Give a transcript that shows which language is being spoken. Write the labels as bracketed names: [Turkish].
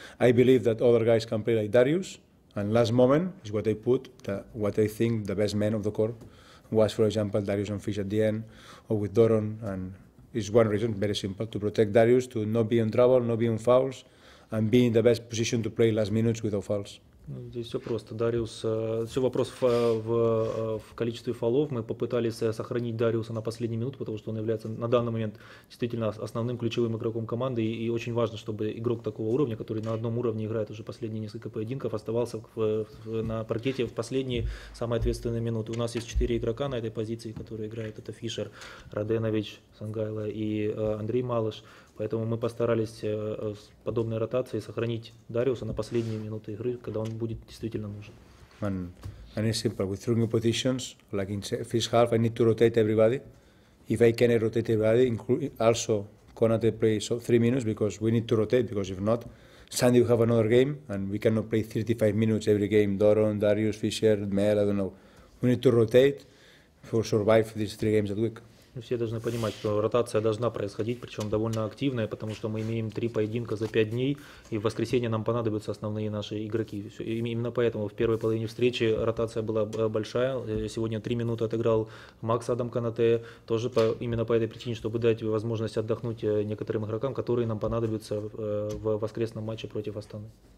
[English] I believe that other guys can play like Darius. And last moment is what I put. What I think the best man of the court was, for example, Darius and Fish at the end, or with Doron. And it's one reason, very simple, to protect Darius, to not be in trouble, not be in fouls, and be in the best position to play last minutes without fouls. [Russian] Здесь все просто. Дариус, все вопрос в количестве фолов. Мы попытались сохранить Дариуса на последнюю минуту, потому что он является на данный момент действительно основным ключевым игроком команды. И очень важно, чтобы игрок такого уровня, который на одном уровне играет уже последние несколько поединков, оставался на паркете в последние самые ответственные минуты. У нас есть 4 игрока на этой позиции, которые играют. Это Фишер, Раденович, Сангайло и Андрей Малыш. Поэтому мы постарались с подобной ротацией сохранить Дариуса на последние минуты игры, когда он будет действительно нужен. [English] And And it's simple, with three new positions, like in first half, I need to rotate everybody. If I cannot rotate everybody, also Konate play so 3 minutes, because we need to rotate, because if not, Sunday we have another game, and we cannot play 35 minutes every game, Doron, Darius, Fischer, Mel, I don't know. We need to rotate for survive these three games a week. [Russian] Все должны понимать, что ротация должна происходить, причем довольно активная, потому что мы имеем три поединка за пять дней, и в воскресенье нам понадобятся основные наши игроки. Именно поэтому в первой половине встречи ротация была большая. Сегодня 3 минуты отыграл Макс Адам Канате, тоже именно по этой причине, чтобы дать возможность отдохнуть некоторым игрокам, которые нам понадобятся в воскресном матче против Астаны.